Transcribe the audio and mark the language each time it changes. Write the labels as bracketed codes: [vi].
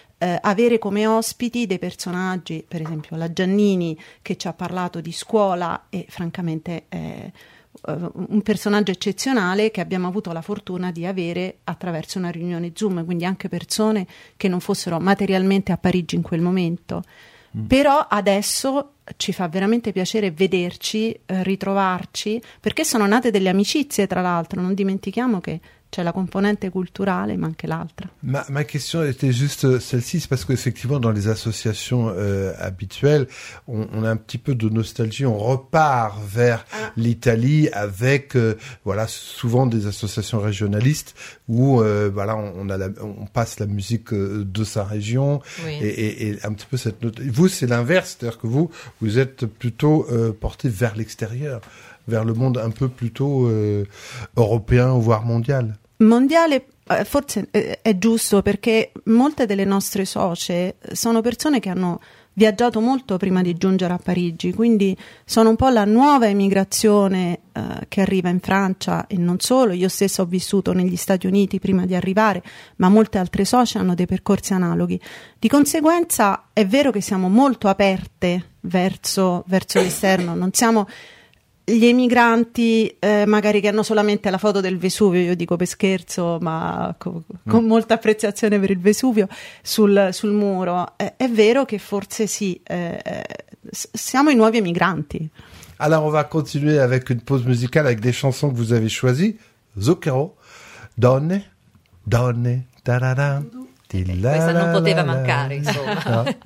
[it] avere come ospiti dei personaggi, per esempio la Giannini che ci ha parlato di scuola e francamente è un personaggio eccezionale che abbiamo avuto la fortuna di avere attraverso una riunione Zoom, quindi anche persone che non fossero materialmente a Parigi in quel momento. Però adesso ci fa veramente piacere vederci, ritrovarci, perché sono nate delle amicizie, tra l'altro, non dimentichiamo che c'è la componente culturale, ma anche l'altra. [fr] Ma question était juste celle-ci, c'est parce qu'effectivement dans les associations habituelles, on a un petit peu de nostalgie, on repart vers l'Italie avec voilà, souvent des associations régionalistes où voilà, on passe la musique de sa région. Oui. Et un petit peu cette note. Vous, c'est l'inverse, c'est-à-dire que vous êtes plutôt porté vers l'extérieur. Vers le monde un peu plutôt européen, voire mondial. [it] Mondiale, forse è giusto, perché molte delle nostre socie sono persone che hanno viaggiato molto prima di giungere a Parigi, quindi sono un po' la nuova emigrazione che arriva in Francia e non solo. Io stessa ho vissuto negli Stati Uniti prima di arrivare, ma molte altre socie hanno dei percorsi analoghi. Di conseguenza è vero che siamo molto aperte verso l'esterno, non siamo gli emigranti magari che hanno solamente la foto del Vesuvio, io dico per scherzo, ma con molta apprezzazione per il Vesuvio sul muro. È vero che forse sì, siamo i nuovi emigranti. Allora, [fr] on va continuer avec une pause musicale avec des chansons que vous avez choisies. [it] Zucchero, donne, donne, tarara, tila, questa non poteva mancare, insomma.